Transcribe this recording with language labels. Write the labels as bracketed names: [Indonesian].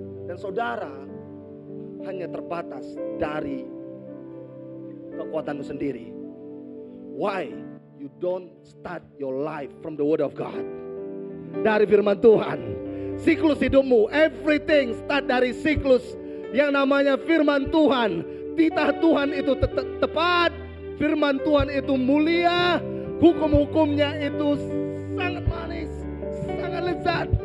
[Indonesian] Dan saudara hanya terbatas dari kekuatanmu sendiri. [English] Why you don't start your life from the word of God? [Indonesian] Dari firman Tuhan. Siklus hidupmu, [English] everything start [Indonesian] dari siklus yang namanya firman Tuhan. Titah Tuhan itu tepat, firman Tuhan itu mulia, hukum-hukumnya itu sangat manis, sangat lezat.